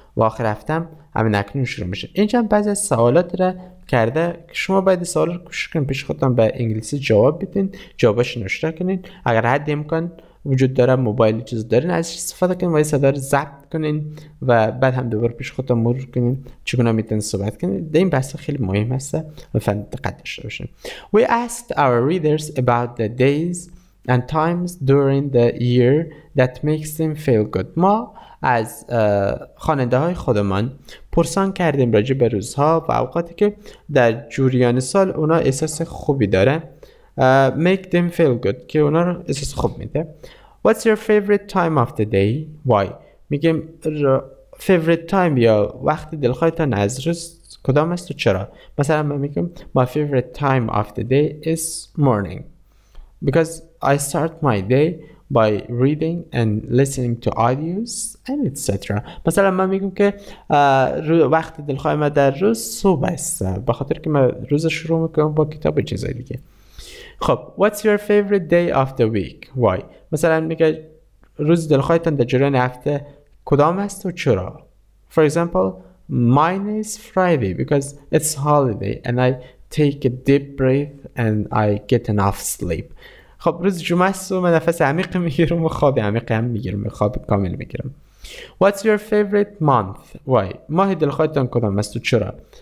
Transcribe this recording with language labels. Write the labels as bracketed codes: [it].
[fa] و آخر هفته هم اکنون شروع میشه. اینجا هم بعضی از سوالات را کرده که شما باید سوال را کوشش کنید پیش خودتان به انگلیسی جواب بدین. جوابش نشته کنید. اگر حد امکان وجود داره موبایل چیز دارین ازش استفاده کنید و یه صدا را ضبط کنین و بعد هم دوباره پیش خودتان مرور کنین چگونه میتونین صحبت کنین. در این بحث خیلی مهم هست و فقط دقت داشته باشین. [en] We asked our readers about the days and times during the year that makes them feel good. [fa] ما از خواننده های خودمان پرسان کردیم راجع به روزها و اوقاتی که در جریان سال اونا احساس خوبی داره. [en] Make them feel good [fa] که اونا رو احساس خوب میده. [en] What's your favorite time of the day? Why? [fa] میگیم [en] favorite time [fa] یا وقت دلخواهتان از روز کدام است و چرا. مثلا من میگم [en] my favorite time of the day is morning because I start my day by reading and listening to audios and etc. [fa] مثلا من میگم که وقت دلخواه من در روز صبح است بخاطر که من روز شروع میکنم با کتاب چیزای دیگه. [en] خب What's your favorite day of the week? Why? [fa] مثلا میگه روز دلخواهتان در جریان هفته کدام است و چرا. [en] For example mine is Friday because it's holiday and I take a deep breath and I get enough sleep. [fa] خب روز جمعه است و من نفس عمیق میگیرم و خواب عمیق هم میگیرم و خواب کامل میگیرم. [en] What's your favorite month? Why? [fa] ماه دلخواهتان کدام است و چرا.